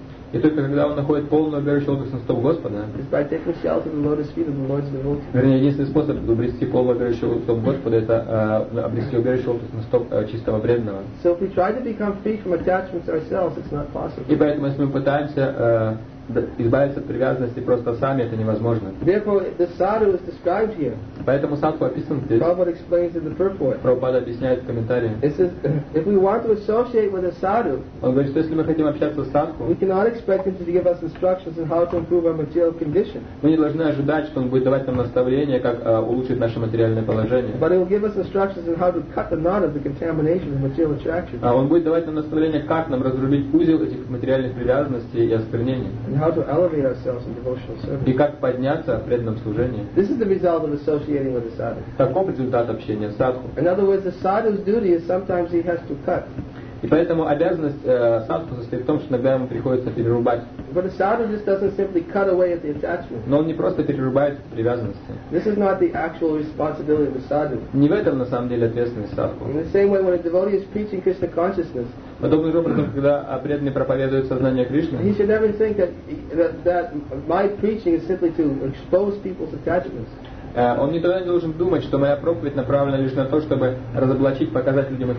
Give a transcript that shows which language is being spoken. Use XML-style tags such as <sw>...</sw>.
<ru>И только когда он находит полное убежище лотосных стоп Господа, вернее, единственный способ обрести полное убежище лотосных стоп Господа это обрести убежище лотосных стоп чистого преданного. И поэтому, если мы пытаемся избавиться от привязанности просто сами, это невозможно.</ru> <en>Therefore, the sadhu is described here.</en> <ru>Поэтому садху описан здесь.</ru> <en>Prabhupada explains in the purport.</en> <ru>Prabhupada объясняет в комментарии.</ru> <en>It says, if we want to associate with a sadhu,</en> <ru>он говорит, что если мы хотим общаться с садху,</ru> <en>we cannot expect him to give us instructions on how to improve our material condition.</en> <ru>Мы не должны ожидать, что он будет давать нам наставления, как улучшить наше материальное положение.</ru> <en>But he will give us instructions on how to cut the knot of the contamination of material attraction.</en> <ru>А он будет давать нам наставления, как нам разрубить узел этих материальных привязанностей и осквернений.</ru> <en>And how to elevate ourselves in devotional service.</en> <ru>И как подняться в преданном служении.</ru> <en>This is the result of associating with the sadhu.</en> <ru>Таков результат общения с садху.</ru> <en>In other words, the sadhu's duty is sometimes he has to cut.</en> <ru>И поэтому обязанность садху состоит в том, что иногда ему приходится перерубать.</ru> <en>But the sadhu just doesn't simply cut away at the attachment.</en> <ru>Но он не просто перерубает привязанности.</ru> <en>This is not the actual responsibility of the sadhu.</en> <ru>Не в этом на самом деле ответственность садху.</ru> <en>In the same way, when a devotee is preaching Krishna consciousness.</en> <ru>Подобным образом, когда преданный проповедует сознание Кришны,</ru> <en>he should never think that my preaching is simply to expose people's attachments.</en> <ru>Он никогда не должен думать, что моя проповедь направлена лишь на то, чтобы разоблачить, показать людям их</ru>